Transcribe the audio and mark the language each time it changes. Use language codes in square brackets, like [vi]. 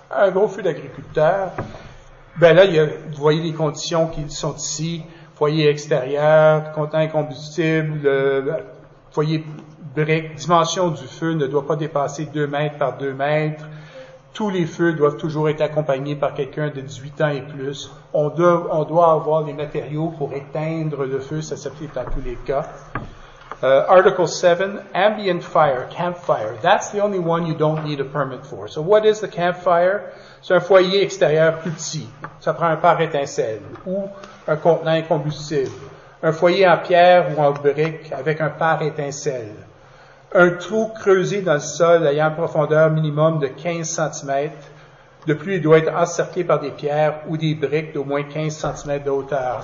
[fr] Un gros feu d'agriculteur, ben là, vous voyez les conditions qui sont ici, foyer extérieur, contenant combustible, foyer brique, dimension du feu ne doit pas dépasser 2 mètres par 2 mètres. Tous les feux doivent toujours être accompagnés par quelqu'un de 18 ans et plus. On doit avoir les matériaux pour éteindre le feu, ça s'applique dans tous les cas. [en] Article 7, ambient fire, campfire. That's the only one you don't need a permit for. So what is the campfire? [fr] C'est un foyer extérieur plus petit. Ça prend un pare-étincelle ou un contenant combustible. Un foyer en pierre ou en brique avec un pare-étincelle. Un trou creusé dans le sol ayant une profondeur minimum de 15 cm. De plus, il doit être encerclé par des pierres ou des briques d'au moins 15 cm de hauteur.